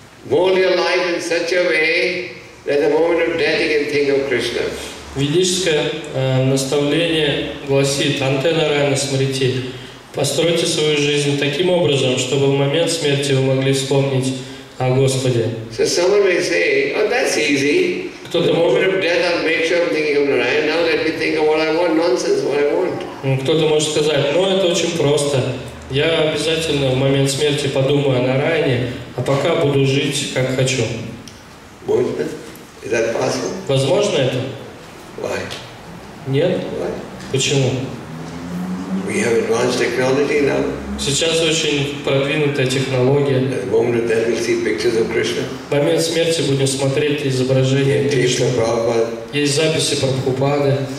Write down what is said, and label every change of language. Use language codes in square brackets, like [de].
[en] Mold your life in such a way that the moment of death you can think of Krishna. [ru] Ведическое наставление гласит [sa] Ante Narayan Smriti. [ru] Постройте свою жизнь таким образом, чтобы в момент смерти вы могли вспомнить о Господе. [en] So someone may say, oh, that's easy. The moment of death, I'll make sure I'm thinking of Narayan. Now let me think of what I want. Nonsense, what I want. [ru] Кто-то может сказать, ну это очень просто. Я обязательно в момент смерти подумаю о Нарайане, а пока буду жить как хочу. [en] Is that possible? [ru] Возможно это? [en] Why? [ru] Нет? [en] Why? [ru] Почему? [en] We have advanced technology now. [ru] Сейчас очень продвинутая технология. [en] At the moment of death, we'll see pictures of Krishna. [ru] В момент смерти будем смотреть изображения Кришны. Есть записи Прабхупады.